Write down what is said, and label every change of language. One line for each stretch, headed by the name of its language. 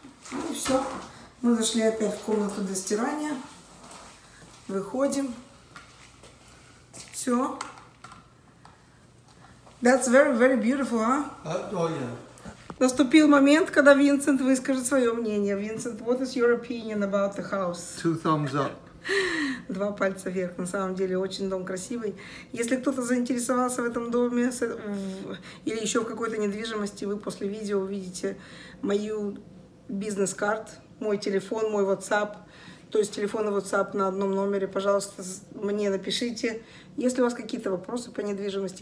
Russian: Ну и все. Мы зашли опять в комнату для стирания. Выходим. Все.
English: That's very, very beautiful, а? Oh, yeah.
Russian: Наступил момент, когда Винсент выскажет свое мнение.
English: Винсент, what is your opinion about the house? Two thumbs up.
Russian: Два пальца вверх. На самом деле, очень дом красивый. Если кто-то заинтересовался в этом доме или еще в какой-то недвижимости, вы после видео увидите мою бизнес-карт, мой телефон, мой WhatsApp. То есть телефон и WhatsApp на одном номере. Пожалуйста, мне напишите, если у вас какие-то вопросы по недвижимости.